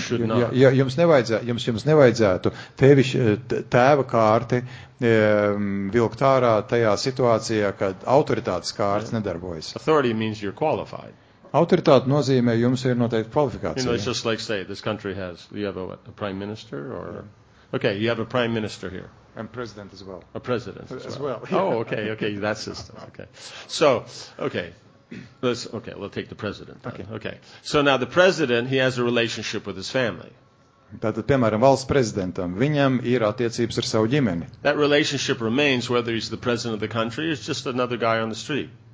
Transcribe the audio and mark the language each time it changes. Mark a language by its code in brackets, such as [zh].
[lv] Jums nevajadzētu tēva kārti vilkt ārā tajā situācijā, kad autoritātes kārtas nedarbojas. [en] Authority means you're qualified. [lv] Autoritāte nozīmē, jums ir noteikti kvalifikācija. [en] You know, it's just like say, this country has, you have a prime minister or, okay, you have a prime minister here. And president as well. A president as well. Oh, okay, that system, okay. So, okay. We'll take the president. Then. Okay. So now the president, he has a relationship with his family. [lv] Tātad, piemēram, valsts prezidentam, viņam ir attiecības ar savu ģimeni. [en] That relationship remains whether he's the president of the country or just another guy on the street.